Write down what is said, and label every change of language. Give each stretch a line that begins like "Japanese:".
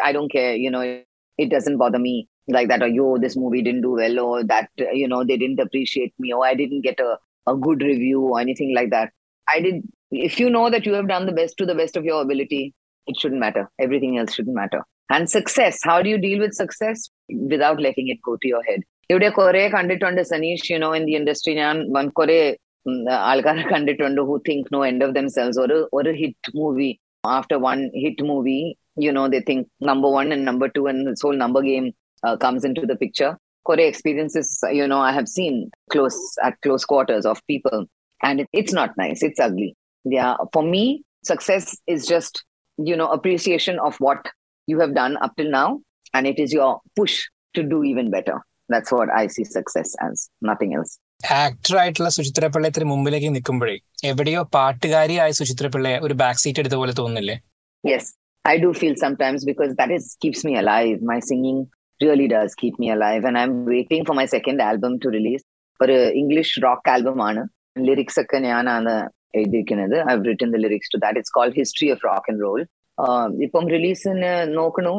English: I don't care, you know, it doesn't bother me like that. Or, yo, this movie didn't do well. Or that, you know, they didn't appreciate me. Or I didn't get a good review or anything like that. If you know that you have done the best to the best of your ability, it shouldn't matter. Everything else shouldn't matter. And success, how do you deal with success? Without letting it go to your head.
Malayalam: ഇവിടെ കുറെ കണ്ടിട്ടുണ്ട്
English: Saneesh, you know, in the industry
Malayalam: ഞാൻ കുറെ ആൾക്കാരെ കണ്ടിട്ടുണ്ട്
English: Who think no end of themselves. ഒരു ഒരു hit movie, after one hit movie, you know, they think number one and number two and so on number game comes in to the picture. കുറെ experiences, you know, I have seen close at close quarters of people, and it's not nice, it's ugly. For me success is just, you know, appreciation of what you have done up till now, and it is your push to do even better. That's what I see success as, nothing else.
Malayalam: Actor ആയിട്ടുള്ള സുചിത്ര പിള്ളയെ ഇത്ര മുമ്പിലേക്ക് നിൽക്കുമ്പോഴേ എവിടെയോ പാട്ടുകാരിയായ സുചിത്ര പിള്ളയെ ഒരു back seat എടുത്ത പോലെ തോന്നുന്നില്ലേ?
English: Yes, I do feel sometimes because that is keeps me alive. My singing really does keep me alive. And I'm waiting for my second album to release. For an English rock album, lyrics
Malayalam: ak nyana ana edikkunathu.
English: I've written the lyrics to that. It's called History of Rock and Roll.
Malayalam: Ippom release in nokkunu.